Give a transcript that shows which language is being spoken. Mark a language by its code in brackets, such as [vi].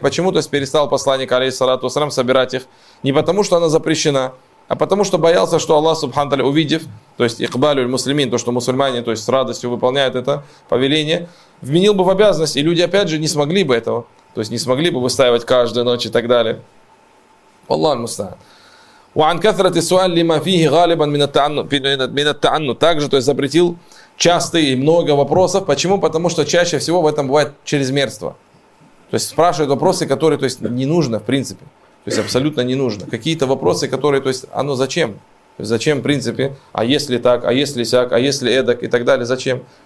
[ru] Почему, то есть, перестал посланник, алейхиссалату вассалям, собирать их? Не потому, что она запрещена, а потому что боялся, что Аллах субхану тааля, увидев, то есть [ar] икбалю аль-муслимин, [ru] то, что мусульмане, то есть, с радостью выполняют это повеление, вменил бы в обязанность, и люди, опять же, не смогли бы этого. То есть не смогли бы выстаивать каждую ночь и так далее. [ar] Аллах мустаан. وعن كثرة السؤال لما فيه غالبا من التعنت. [ru] Также, то есть, запретил частые и много вопросов. Почему? Потому что чаще всего в этом бывает чрезмерство. То есть спрашивают вопросы, которые, то есть, не нужно, в принципе. То есть абсолютно не нужно. Какие-то вопросы, которые, то есть, оно зачем? То есть, зачем, в принципе, а если так, а если сяк, а если эдак и так далее, зачем?